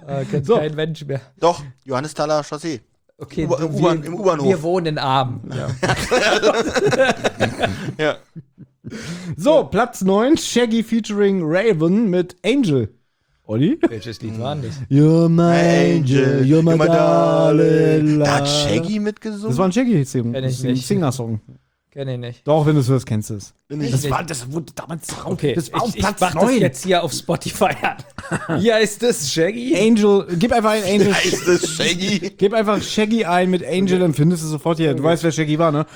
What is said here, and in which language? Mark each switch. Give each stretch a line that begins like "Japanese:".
German: Kennst so. Kein Mensch mehr. Doch, Johannisthaler Chaussee. Okay, im U-Bahnhof. Wir wohnen in Arm. Ja. So, Platz 9, Shaggy featuring Raven mit Angel. Olli? Welches Lied war das?
English: You're my Angel, you're my darling.
German: Da hat Shaggy mitgesungen? Das war ein Shaggy-Song. Kenn ich nicht. Ein Singer-Song. Kenn ich nicht. Doch, wenn du es hörst, kennst du es. Das wurde damals drauf. Okay. Das war auf Platz 9. Ich mach das jetzt hier auf Spotify an. Ja, ist das Shaggy? Angel, gib einfach ein Angel. Ja, ist das Shaggy? Gib einfach Shaggy ein mit Angel, dann findest du es sofort hier. Du weißt, wer Shaggy war, ne?